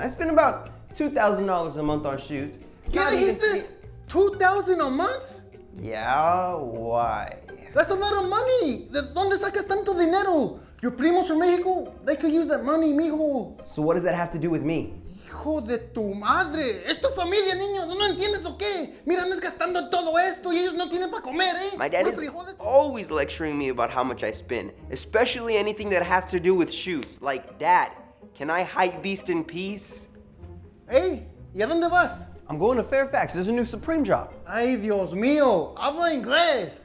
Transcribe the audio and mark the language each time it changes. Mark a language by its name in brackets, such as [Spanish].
[English] I spend about $2,000 a month on shoes. Yeah, he's this? $2,000 a month? Yeah, why? That's a lot of money! [Spanish] ¿Dónde sacas tanto dinero? [English] Your primos from Mexico, they could use that money, mijo. So what does that have to do with me? [Spanish] Hijo de tu madre, es tu familia, niño, ¿no entiendes o qué? Mira, andas gastando todo esto y ellos no tienen para comer, eh? [English] My dad is always lecturing me about how much I spend, especially anything that has to do with shoes. Like, Dad, can I hypebeast in peace? [Spanish] Hey, ¿y a dónde vas? [English] I'm going to Fairfax, there's a new Supreme drop. [Spanish] Ay, Dios mío, habla inglés.